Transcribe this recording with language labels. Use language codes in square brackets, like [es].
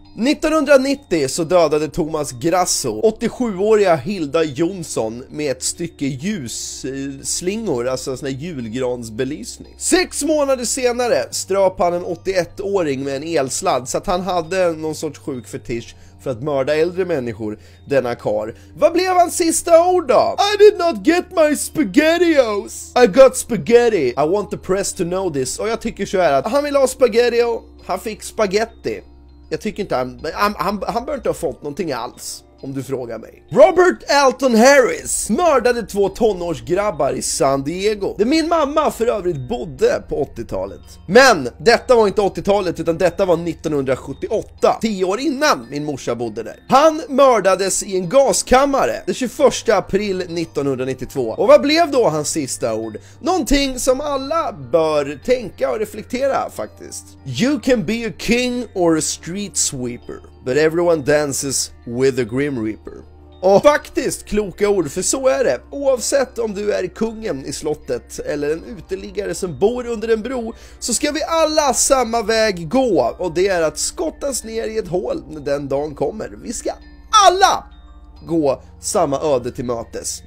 [sv] 1990 så dödade Thomas Grasso 87-åriga Hilda Jonsson med ett stycke ljusslingor, alltså en sån här julgransbelysning. 6 månader senare ströp han en 81-åring med en elsladd, så att han hade någon sorts sjuk fetisch för att mörda äldre människor, denna kar. Vad blev hans sista ord då? [en] I did not get my spaghettios. I got spaghetti. I want the press to know this. [sv] Och jag tycker så här att han vill ha spaghetti och han fick spaghetti. Jag tycker inte han bör inte ha fått någonting alls, om du frågar mig. Robert Alton Harris mördade 2 tonårsgrabbar i San Diego. Det min mamma för övrigt bodde på 80-talet. Men detta var inte 80-talet, utan detta var 1978. 10 år innan min morsa bodde där. Han mördades i en gaskammare den 21 april 1992. Och vad blev då hans sista ord? Någonting som alla bör tänka och reflektera faktiskt. [en] You can be a king or a street sweeper, but everyone dances with the Grim Reaper. [sv] Och faktiskt kloka ord, för så är det. Oavsett om du är kungen i slottet eller en uteliggare som bor under en bro, så ska vi alla samma väg gå. Och det är att skottas ner i ett hål när den dagen kommer. Vi ska alla gå samma öde till mötes.